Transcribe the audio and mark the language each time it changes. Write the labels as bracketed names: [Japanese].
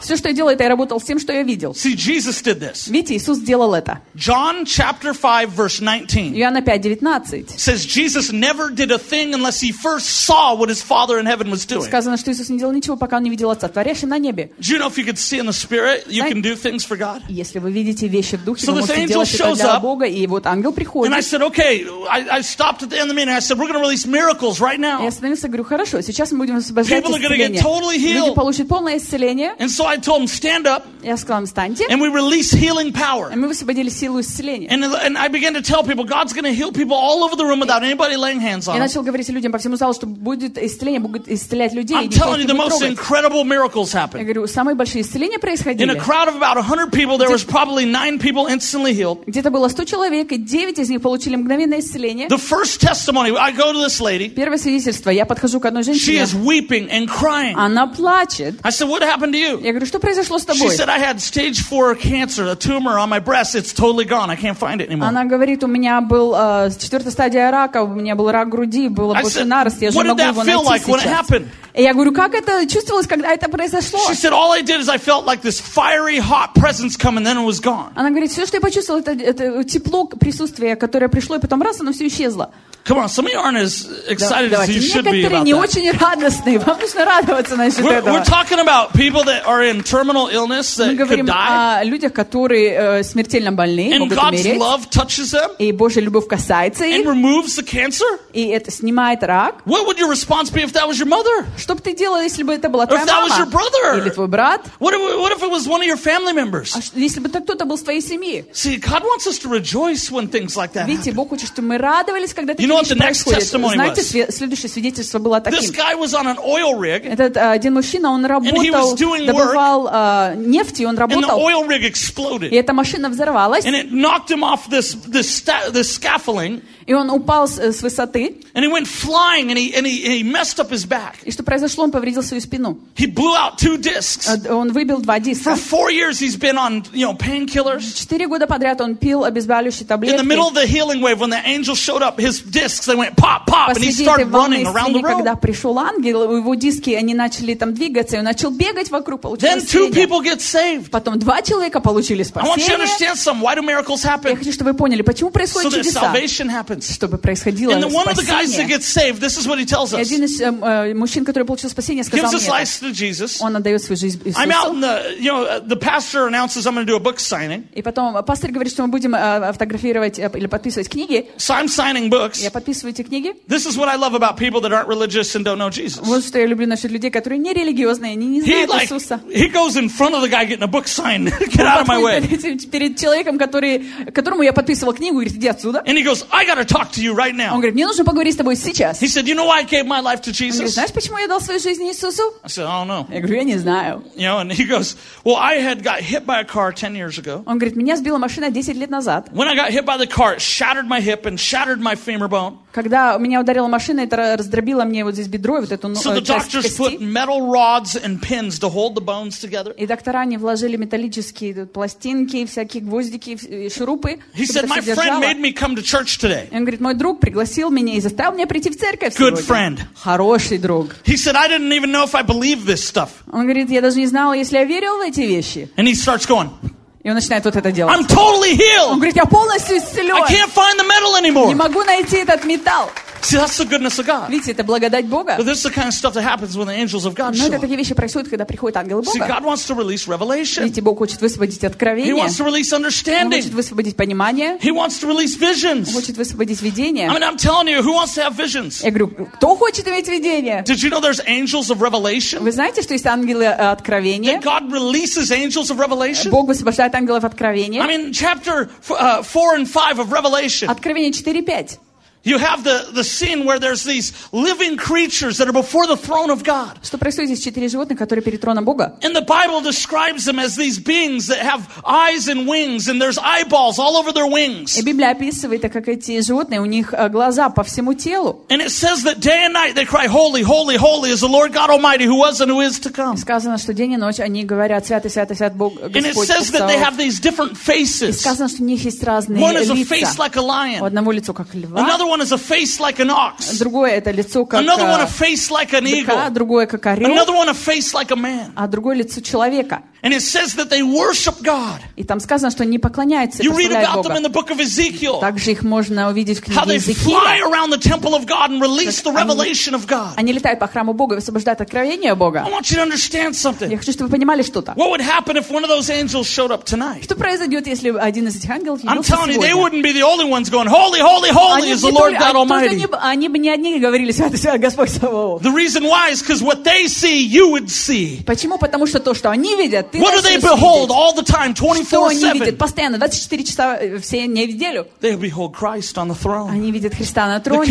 [Russian] Все, что я делал, это я работал с тем, что я видел. [English] See, Jesus did this. [Russian] Видите, Иисус сделал это. [English] John chapter 5 verse 19. [Russian] Иоанна 5:19. [English] Says Jesus never did a thing unless he first saw what his Father in heaven was doing. [Russian] Сказано, что Иисус не делал ничего, пока он не видел Отца Творящего на небе. [English] Do you know if you could see in the spirit, you can do things for God? [Russian] Если вы видите вещи в духе, [English] so [Russian] вы можете делать это для [English] up, [Russian] Бога, и вот ангел приходит. [English] And I said, okay, I stopped at the end of the meeting. I said, we're going to release miracles right now. [Russian] Я остановился, говорю, хорошо, сейчас мы будем освобождать исцеление. [English] People are going to get totally healed. [Russian] Люди получат полное исцеление. [English] And so I told them, stand up. [Russian] Я сказал им, встаньте. [English] And we release healing power. [Russian] И мы высвободили силу исцеления. [English] And I began to tell people, God's going to heal people all over the room without anybody laying hands on. [Russian] Я начал говорить людям по всему залу, что будет исцеление, будет исцелять людей. [English] I'm telling you, the most incredible miracles happened. [Russian] Я говорю, самые большие исцеления происходили. [English] In a crowd of about 100 people, there was probably 9 people instantly healed. [Russian] Где-то было 100 человек, и 9 из них получили мгновенное исцеление. [English] The first testimony, I go to this lady. [Russian] Первое свидетельство, я подхожу к одной женщине. [English] She is weeping and crying. [Russian] Она плачет. [English] I said, what happened to you? [Russian] Я говорю, что произошло с тобой? [English] She said, I had stage 4 cancer, a tumor on my breast. It's totally gone. I can't find it anymore. [Russian] Она говорит, у меня был четвертая стадия рака, у меня был рак груди, было больше нарост, я же могу его найти. [English] What did that feel like when it happened? [Russian] И я говорю, как это чувствовалось, когда это произошло? [English] She said, all I did is I felt like this fiery, hot presence come, and then then it was gone. [Russian] Она говорит, все, что я почувствовала, это тепло присутствия, которое пришло, и потом раз, оно все исчезло. [English] Come on, some of you aren't as excited as you should be about that. [Russian] Некоторые не очень радостные. Вам нужно радоваться насчет этого. [English] We're talking about people that are in terminal illness that could die. [Russian] Мы говорим о людях, которые смертельно больны, могут умереть. [English] And God's love touches them. [Russian] И Божья любовь касается их. [English] And removes the cancer. [Russian] И это снимает рак. [English] What would your response be if that was your mother? [Russian] Что бы ты делал, если бы это была твоя мама? [English] If that was your brother? [Russian] Или твой брат? [English] What if it was one of your family members? [Russian] Если бы это кто-то был из твоей семьи? [English] See, God wants us to rejoice when things like that happen. [Russian] Видите, Бог хочет, чтобы мы радовались, когда [English] You know what the next testimony was? [Russian] Знаете, следующее свидетельство было таким. [English] This guy was on an oil rig. [Russian] Этот один мужчина, он работал, добывал нефть, и он работал. [English] And the oil rig exploded. [Russian] И эта машина взорвалась. [English] And it knocked him off this scaffolding. [Russian] И он упал с высоты. [English] And he went flying, and he messed up his back. [Russian] И что произошло? Он повредил свою спину. [English] He blew out two discs. [Russian] Он выбил два диска. [English] For 4 years he's been on, you know, painkillers. [Russian] 4 года подряд он пил обезболивающие таблетки. [English] In the middle of the healing wave, when the angel showed up, his discs, they went pop, pop, and he started running around the room. [Russian] Когда пришел ангел, его диски, они начали там двигаться, и он начал бегать вокруг, получил исцеление. [English] Then two people get saved. [Russian] Потом два человека получили спасение. [English] I want you to understand some. Why do miracles happen? [Russian] Я хочу, чтобы вы поняли, почему происходят чудеса. [English] So that salvation happens. [Russian] Чтобы происходило спасение. [English] And then one of the guys that gets saved, this is what he tells us. [Russian] Один из мужчин, который получил спасение, сказал мне. [English] Gives his life to Jesus. [Russian] Он отдает свою жизнь Иисусу. [English] I'm out in the pastor announces I'm going to do a book signing. [Russian] И потом пастор говорит, что мы будем автографировать или подписывать книги. [English] So I'm signing books. [Russian] Я подписываю эти книги. [English] This is what I love about people that aren't religious and don't know Jesus. [Russian] Вот что я люблю насчет людей, которые не религиозные, они не знают Иисуса. [English] He goes in front of the guy getting a book signed. Get out of my way. [Russian] Перед человеком, которому я подписывал книгу, говорит, иди отсюда. [English] And he goes, I got to talk to you right now. [Russian] Он говорит, мне нужно поговорить с тобой сейчас. [English] He said, you know why I gave my life to Jesus? [Russian] Он говорит, знаешь, почему я дал свою жизнь Иисусу? [English] I said, I don't know. [Russian] Я говорю, я не знаю. [English] You know, and he goes, well, I had got hit by a car 10 years ago. [Russian] Он говорит, меня сбила машина 10 лет назад. [English] When I got hit by the car, it shattered my hip and shattered my femur. [Russian] Когда меня ударила машина, это раздробило мне вот здесь бедро, вот эту часть кости. И доктора, они вложили металлические пластинки, всякие гвоздики, шурупы, чтобы это содержало. Он говорит, мой друг пригласил меня и заставил меня прийти в церковь [English] Good [Russian] сегодня. [English] Friend. [Russian] Хороший друг. [English] He said, I didn't even know if I believe this stuff. [Russian] Он говорит, я даже не знал, если я верил в эти вещи. И он начинает говорить. И он начинает вот это делать. [English] I'm totally healed. [Russian] Он говорит, я полностью исцелен. [English] I can't find the metal anymore. [Russian] Не могу найти этот металл. [English] See, that's the goodness of God. [Russian] Видите, это благодать Бога. [English] But this is the kind of stuff that happens when the angels of God show. [Russian] Но это такие вещи происходят, когда приходят ангелы Бога. [English] See, God wants to release revelation. [Russian] Видите, Бог хочет высвободить откровение. [English] He wants to release understanding. [Russian] Он хочет высвободить понимание. [English] He wants to release visions. [Russian] Он хочет высвободить видение. [English] I mean, I'm telling you, who wants to have visions? [Russian] Я говорю, кто хочет иметь видение? [English] Did you know there's angels of revelation? [Russian] Вы знаете, что есть ангелы откровения? [English] That God releases angels of revelation. [Russian] Бог высвобождает ангелов откровения. [English] I mean, chapter 4 and 5 of Revelation. [Russian] Откровение 4:5. [English] You have the scene where there's these living creatures that are before the throne of God. [Russian] Что происходит здесь? Четыре животных, которые перед троном Бога. [English] And the Bible describes them as these beings that have eyes and wings, and there's eyeballs all over their wings. [Russian] И Библия описывает, как эти животные, у них глаза по всему телу. [English] And it says that day and night they cry, "Holy, holy, holy is the Lord God Almighty, who was and who is to come." [Russian] Сказано, что день и ночь они говорят, святый, святый, святый Бог Господь. [English] And it says that they have these different faces. [Russian] И сказано, что у них есть разные лица. [English] One has a face like a lion. [Russian] У одного лицо как льва. [English] One is a face like an ox. [Russian] Другое это лицо как. [English] Another one a face like an eagle. [Russian] Другое как орел. [English] Another one a face like a man. [Russian] А другое лицо человека. [English] And it says that they worship God. [Russian] И там сказано, что они поклоняются Богу. [English] You read about them in the book of Ezekiel. [Russian] Также их можно увидеть в книге Иезекииля. [English] How they fly around the temple of God and release the revelation of God. [Russian] Они летают по храму Бога и освобождают откровение Бога. [English] I want you to understand something. [Russian] Я хочу, чтобы вы понимали что-то. [English] What would happen if one of those angels showed up tonight? [Russian] Что произойдет, если один из этих ангелов [English] I'm telling you, they wouldn't be the only ones going, "Holy, holy, holy is the Lord God Almighty." [Russian] Они бы не одни говорили, "Святый, святый Господь Саваоф." [English] The reason why is because what they see, you would see. [Russian] Почему? Потому что то, что они видят, [English] What do they behold all the time, 24/7? [Russian] Что они видят постоянно, 24 часа все неделю? [English] They behold Christ on the throne. [Russian] Они видят Христа на троне.